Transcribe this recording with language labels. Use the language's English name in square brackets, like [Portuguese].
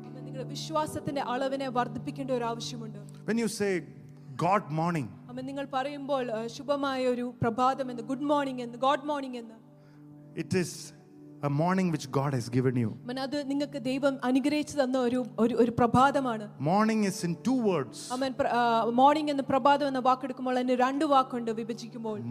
[Malayalam] നിങ്ങളുടെ വിശ്വാസത്തിന്റെ അളവിനെ വർദ്ധിപ്പിക്കേണ്ട ഒരു ആവശ്യമുണ്ട്. [English] When you say God morning. [Malayalam] അമ്മ നിങ്ങൾ പറയുമ്പോൾ ശുഭമായ ഒരു പ്രഭാതം എന്ന് [English] good morning [Malayalam] എന്ന് [English] God morning [Malayalam] എന്ന്. [English] It is a morning which God has given you. [Malayalam] മനദ നിങ്ങൾക്ക് ദൈവം അനുഗ്രഹിച്ചു തന്ന ഒരു ഒരു പ്രഭാതമാണ്. [English] Morning is in two words. [Malayalam] അമ്മ morning എന്ന് പ്രഭാതം എന്ന വാക്ക് എടുക്കുമ്പോൾ അതിന് രണ്ട് വാക്കുണ്ട് വിഭജിക്കുമ്പോൾ.